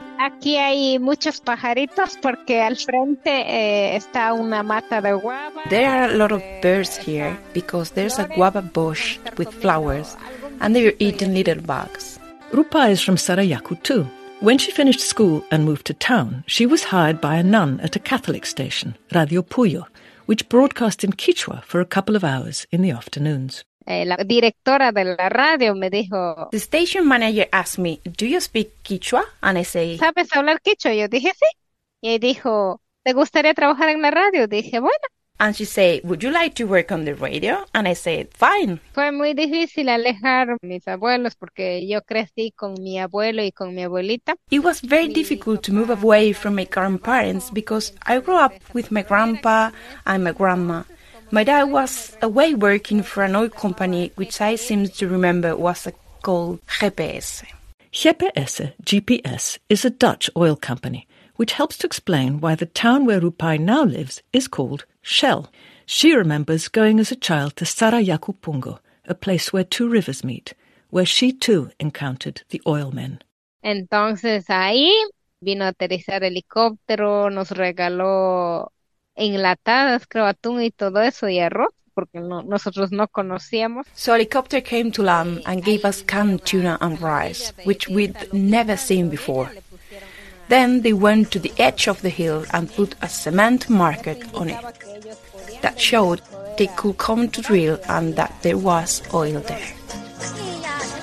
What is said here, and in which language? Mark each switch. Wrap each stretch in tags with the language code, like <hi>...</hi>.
<es>Aquí hay muchos pajaritos porque al frente está una mata de guava.</es> <en>There are a lot of birds here because there's a guava bush with flowers and they're eating little bugs. Rupa is from Sarayaku too. When she finished school and moved to town, she was hired by a nun at a Catholic station, Radio Puyo, which broadcast in Quechua for a couple of hours in the afternoons.</en> <es>La directora de la radio me dijo...</es> <en>The station manager asked me, do you speak Quechua? And I say...</en> <es>¿Sabes hablar Quechua? Yo dije, sí. Y dijo, ¿te gustaría trabajar en la radio? Dije, bueno.</es> <en>And she said, would you like to work on the radio? And I said, fine.</en> <es>Fue muy difícil alejar mis abuelos porque yo crecí con mi abuelo y con mi abuelita.</es> <en>It was very difficult to move away from my grandparents because I grew up with my grandpa and my grandma. My dad was away working for an oil company, which I seem to remember was called GPS. GPS, GPS, is a Dutch oil company, which helps to explain why the town where Rupai now lives is called Shell. She remembers going as a child to Sarayakupungo, a place where two rivers meet, where she too encountered the oil men.</en> <es>Entonces ahí vino a aterrizar helicóptero, nos regaló enlatadas, creo, atún y todo eso y arroz, porque no, nosotros no conocíamos.</es> <en>So a helicopter came to land and gave us canned tuna and rice, which we'd never seen before. Then they went to the edge of the hill and put a cement marker on it that showed they could come to drill and that there was oil there.</en>